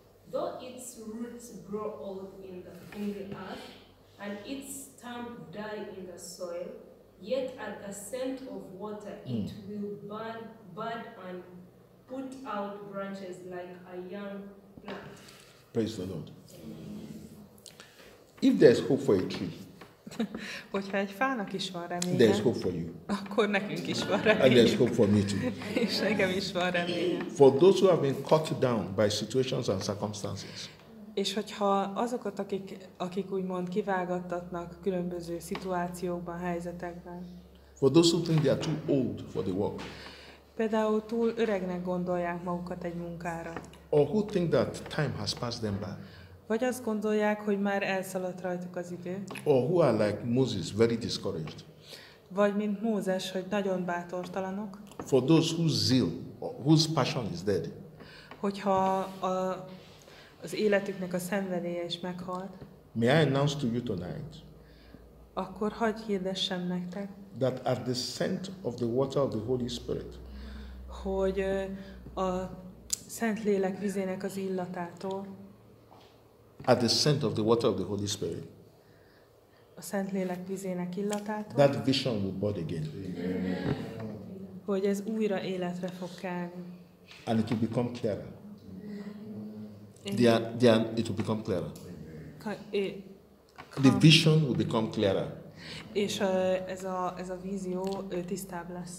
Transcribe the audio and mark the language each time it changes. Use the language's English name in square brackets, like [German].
[English] Though its roots grow old in the earth and its stump die in the soil, yet at the scent of water it will bud and put out branches like a young plant. Praise the Lord. If there is hope for a tree, [Hungarian] hogyha egy fának is van reménye, [English] there is hope for you. [Hungarian] Akkor nekünk is van reménye. [English] And there is hope for me too. [Hungarian] És nekem is van reménye. [English] For those who have been cut down by situations and circumstances. [Hungarian] És hogyha azokat, akik úgymond kivágattatnak különböző szituációkban, helyzetekben. [English] For those who think they are too old for the work. [Hungarian] Például túl öregnek gondolják magukat egy munkára. [English] Or who think that time has passed them by. [Hungarian] Vagy azt gondolják, hogy már elszaladt rajtuk az idő. [English] Or who are like Moses, very discouraged. [Hungarian] Vagy mint Mózes, hogy nagyon bátortalanok. [English] For those whose zeal, whose passion is dead. [Hungarian] Hogyha a az életüknek a szenvedélye is meghalt. [English] May I announce to you tonight? [Hungarian] Akkor hadd hirdessem nektek. [English] That at the scent of the water of the Holy Spirit. [Hungarian] Hogy a Szent Lélek vizének az illatától. [English] At the scent of the water of the Holy Spirit. [Hungarian] A Szent Lélek vizének illatától. [English] That vision will be born again. [Hungarian] Hogy ez újra életre fog kelni. [English] And it will become clearer. It will become clearer. The vision will become clearer. [Hungarian] És ez a vízió tisztább lesz.